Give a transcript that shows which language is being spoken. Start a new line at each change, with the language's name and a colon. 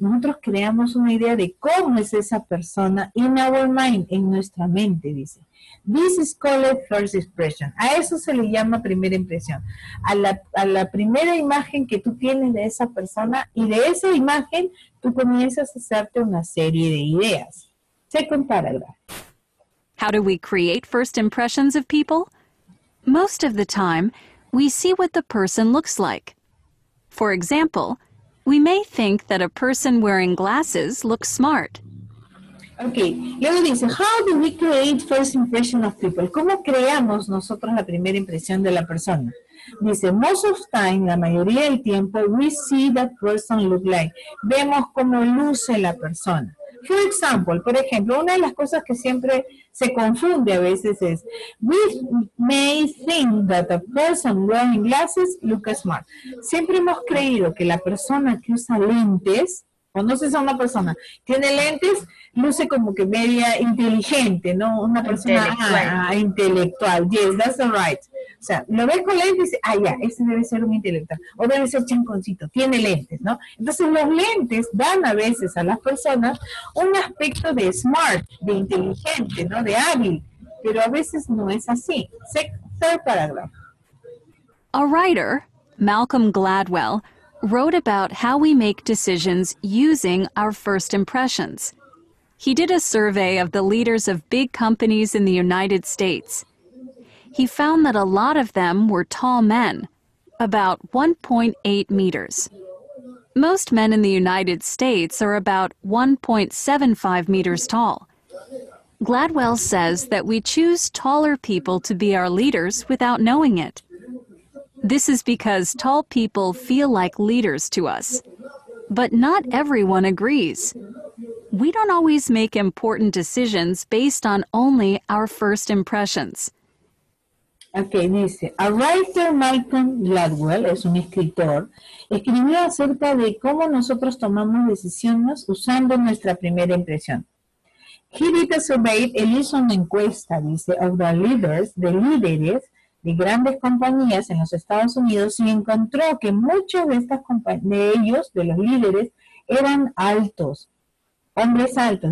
Spanish: Nosotros creamos una idea de cómo es esa persona
English: in our mind,
Spanish: en nuestra mente, dice.
English: This is called first impression.
Spanish: A eso se le llama primera impresión. A la primera imagen que tú tienes de esa persona y de esa imagen tú comienzas a hacerte una serie de ideas.
English: Second paragraph. How do we create first impressions of people? Most of the time, we see what the person looks like. For example, we may think that a person wearing glasses looks smart. Okay,
Spanish: luego dice,
English: how do we create first impression of people?
Spanish: ¿Cómo creamos nosotros la primera impresión de la persona?
English: Dice, most of time,
Spanish: la mayoría del tiempo,
English: we see that person look like.
Spanish: Vemos cómo luce la persona.
English: For example,
Spanish: por ejemplo, una de las cosas que siempre se confunde a veces es,
English: we may think that a person wearing glasses looks smart.
Spanish: Siempre hemos creído que la persona que usa lentes, conoces a una persona, tiene lentes, luce como que media inteligente, ¿no? Una persona intelectual.
English: Yes, that's right.
Spanish: O sea, lo ves con lentes y dice, ah, ya, ese debe ser un intelectual. O debe ser chanconcito, tiene lentes, ¿no? Entonces, los lentes dan a veces a las personas un aspecto de smart, de inteligente, ¿no? De hábil. Pero a veces no es así.
English: Third paragraph. A writer, Malcolm Gladwell, wrote about how we make decisions using our first impressions. He did a survey of the leaders of big companies in the United States. He found that a lot of them were tall men, about 1.8 meters. Most men in the United States are about 1.75 meters tall. Gladwell says that we choose taller people to be our leaders without knowing it. This is because tall people feel like leaders to us. But not everyone agrees. We don't always make important decisions based on only our first impressions.
Spanish: Okay, dice,
English: a writer
Spanish: Malcolm Gladwell, es un escritor, escribió acerca de cómo nosotros tomamos decisiones usando nuestra primera impresión.
English: He did a survey,
Spanish: él hizo una encuesta, dice,
English: of the leaders,
Spanish: de líderes, de grandes compañías en los Estados Unidos y encontró que muchos de estas de los líderes, eran altos, hombres altos.